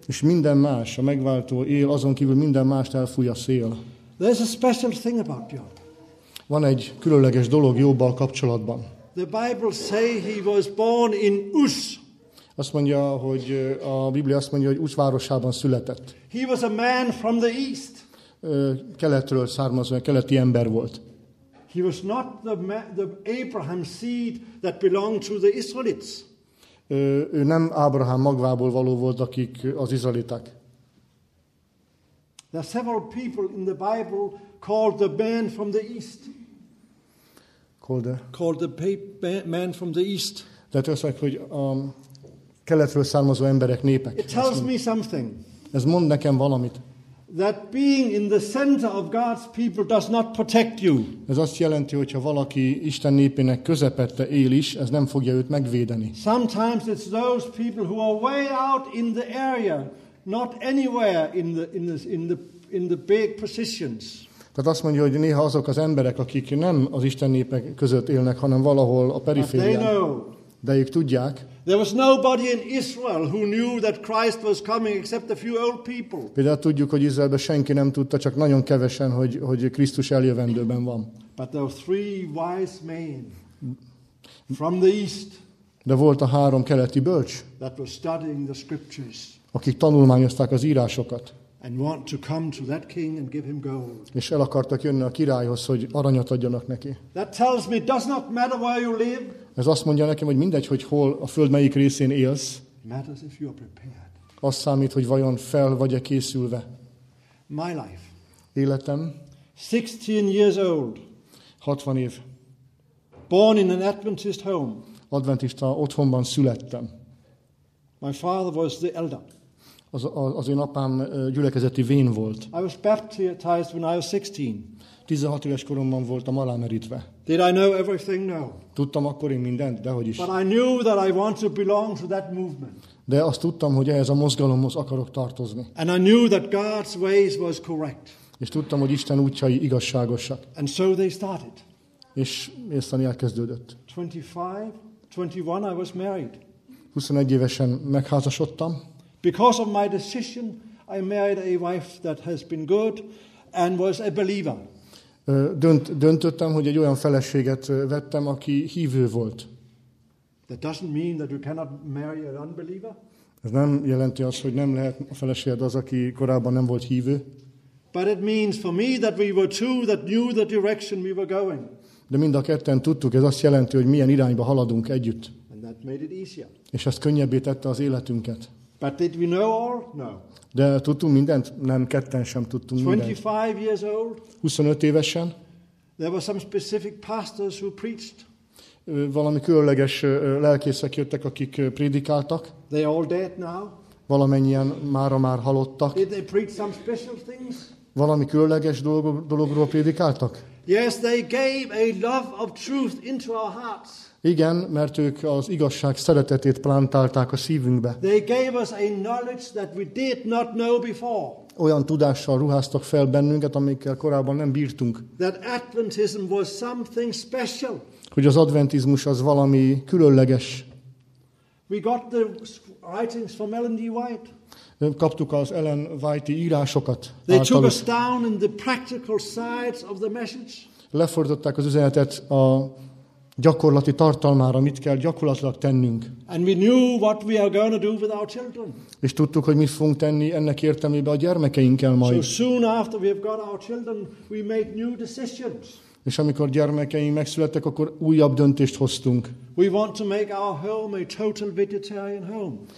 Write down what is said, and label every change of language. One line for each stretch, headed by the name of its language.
Hungarian: És minden más, a megváltó él, azon kívül minden mást elfúj a szél.
English: There's a special thing about Job.
Hungarian: Van egy különleges dolog Jobbal kapcsolatban.
English: The Bible say he was born in Uz.
Hungarian: Azt mondja, hogy a Biblia azt mondja, hogy Uz városában született.
English: He was a man from the east.
Hungarian: Keletről származó, keleti ember volt.
English: He was not the Abraham seed that belonged to the Israelites.
Hungarian: Ő nem Ábrahám magvából való volt, akik az izraeliták.
English: There are several people in the Bible called the man from the east. Called the man from the east. That was like,
Hungarian: hogy keletről származó emberek, népek.
English: It tells me something.
Hungarian: Ez mond nekem valamit.
English: That being in the center of God's people does not protect you.
Hungarian: Ez azt jelenti, hogyha valaki Isten népének közepette él is, ez nem fogja őt megvédeni.
English: Sometimes it's those people who are way out in the area, not anywhere in the big positions.
Hungarian: Tehát azt mondja, hogy néha azok az emberek, akik nem az Isten népek között élnek, hanem valahol a periférián. De ők tudják.
English: There was nobody in Israel who knew that Christ was coming except a few old people.
Hungarian: Például tudjuk, hogy Izraelben senki nem tudta, csak nagyon kevesen, hogy Krisztus eljövendőben van.
English: But there were three wise men from the east.
Hungarian: De volt a három keleti bölcs.
English: That were studying the scriptures.
Hungarian: Akik tanulmányozták az írásokat.
English: And want to come to that king and give him gold.
Hungarian: És el akartak jönni a királyhoz, hogy aranyat adjanak neki.
English: That tells me it does not matter where you live.
Hungarian: Ez azt mondja nekem, hogy mindegy, hogy hol a föld melyik részén élsz.
English: It matters if you are prepared.
Hungarian: Azt számít, hogy vajon fel vagy-e készülve.
English: My life.
Hungarian: Életem.
English: 16 years old.
Hungarian: 60 év.
English: Born in an Adventist home.
Hungarian: Adventista otthonban születtem.
English: My father was the elder.
Hungarian: Az én apám gyülekezeti vén volt.
English: I was baptized when I was 16.
Hungarian: 16 éves koromban voltam alámerítve.
English: Did I know everything? No.
Hungarian: Tudtam akkor én mindent, dehogy is.
English: But I knew that I want to belong to that movement.
Hungarian: De azt tudtam, hogy ehhez a mozgalomhoz akarok tartozni.
English: And I knew that God's ways was correct.
Hungarian: És tudtam, hogy Isten útjai igazságosak.
English: And so they started.
Hungarian: És aztán elkezdődött.
English: 21 I was married.
Hungarian: 21 évesen megházasodtam.
English: Because of my decision, I married a wife that has been good and was a believer.
Hungarian: Döntöttem, hogy egy olyan feleséget vettem, aki hívő volt.
English: That doesn't mean that you cannot marry an unbeliever.
Hungarian: Ez nem jelenti azt, hogy nem lehet a feleséged az, aki korábban nem volt hívő.
English: But it means for me that we were two that knew the direction we were going.
Hungarian: De mind a ketten tudtuk, ez azt jelenti, hogy milyen irányba haladunk együtt.
English: And that made it easier.
Hungarian: És ez könnyebbé tette az életünket.
English: But did we know all? No.
Hungarian: De tudtunk mindent? Nem, ketten sem tudtunk 25 mindent.
English: 25 years old.
Hungarian: 25 évesen.
English: There were some specific pastors who preached.
Hungarian: Valami különleges lelkészek jöttek, akik prédikáltak.
English: They are all dead now.
Hungarian: Valamennyien már halottak.
English: Did they preach some special things?
Hungarian: Valami különleges dologról prédikáltak?
English: Yes, they gave a love of truth into our hearts.
Hungarian: Igen, mert ők az igazság szeretetét plantálták a szívünkbe.
English: They gave us a knowledge that we did not know before.
Hungarian: Olyan tudással ruháztak fel bennünket, amikkel korábban nem bírtunk.
English: That Adventism was something special.
Hungarian: Hogy az adventizmus az valami különleges.
English: We got the writings from Ellen G. White.
Hungarian: Kaptuk az Ellen White-i írásokat.
English: They took us down in the practical sides of the message.
Hungarian: Lefordították az üzenetet a gyakorlati tartalmára, mit kell gyakorlatilag tennünk.
English: And we knew what we are going to do with our children.
Hungarian: És tudtuk, hogy mit fogunk tenni ennek értelmében a gyermekeinkkel majd.
English: So soon after we have got our children, we make new decisions.
Hungarian: És amikor gyermekeim megszülettek, akkor újabb döntést hoztunk.
English: We want to make our home a total vegetarian home.